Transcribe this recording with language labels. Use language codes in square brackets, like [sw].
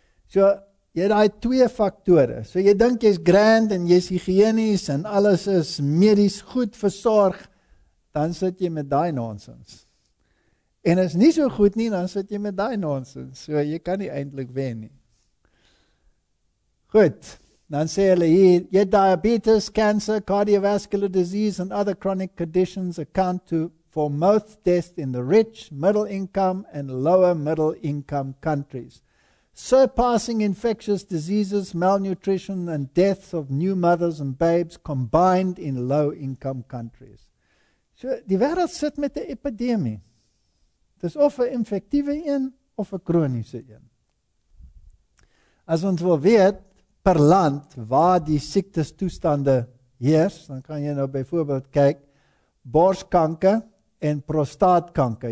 [af] So jy het daai twee faktore. So jy dink jy's grand en jy's higienies en alles is medies goed versorg, dan sit jy met daai nonsens. En as nie so goed nie, dan sit jy met daai nonsens. So jy kan nie eintlik wen nie. Goed. Dan sê hulle hier, jy [en] diabetes, cancer, cardiovascular disease and other chronic conditions account to for most deaths in the rich, middle income and lower middle income countries. Surpassing infectious diseases, malnutrition and deaths of new mothers and babes combined in low income countries. [af] So, die wêreld sit met 'n epidemie. Dis of 'n infektiewe een of 'n kroniese een. As ons wil weet per land waar die siektes toestande heers, dan kan jy nou byvoorbeeld kyk borskanker en prostaatkanker.